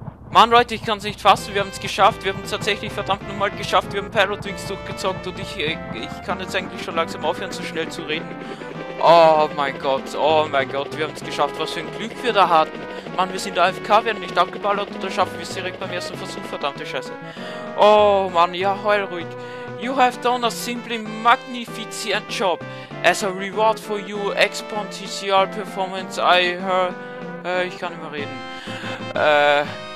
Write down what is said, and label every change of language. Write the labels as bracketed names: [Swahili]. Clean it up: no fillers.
[German] Mann, Leute, ich kann es nicht fassen. Wir haben es geschafft. Wir haben es tatsächlich verdammt nochmal geschafft. Wir haben Pilot Wings durchgezockt. Und ich kann jetzt eigentlich schon langsam aufhören, so schnell zu reden. Oh, mein Gott. Oh, mein Gott. Wir haben es geschafft. Was für ein Glück wir da hatten. Mann, wir sind AFK. Wir werden nicht abgeballert. Und da schaffen wir es direkt beim ersten Versuch. Verdammte Scheiße. Oh, Mann. Ja, heul ruhig. [English] You have done a simply magnificent job. As a reward for your exponential performance, I heard... [German] ich kann nicht mehr reden.